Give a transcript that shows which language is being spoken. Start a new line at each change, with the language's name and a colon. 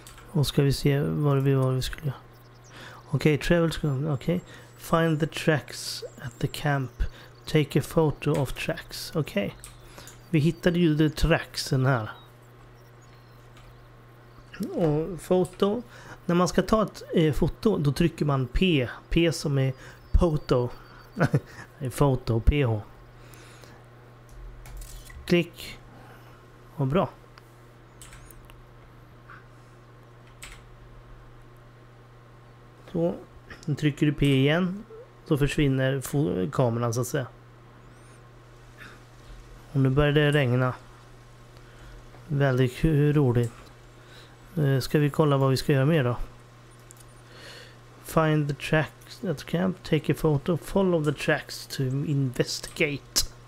Swedish: Och ska vi se vad vi skulle göra.
English: Okej, okay, travel school. Okej. Okay. Find the tracks at the camp. Take a photo of tracks. Okej. Okay.
Swedish: Vi hittade ju de tracksen här. Och foto. När man ska ta ett foto, då trycker man P. P som är photo. Foto, PH. Klick. Och bra. Då trycker du P igen, då försvinner kameran så att säga. Och nu börjar det regna. Väldigt roligt. Ska vi kolla vad vi ska göra mer då?
English: Find the tracks at camp, take a photo, follow the tracks to investigate.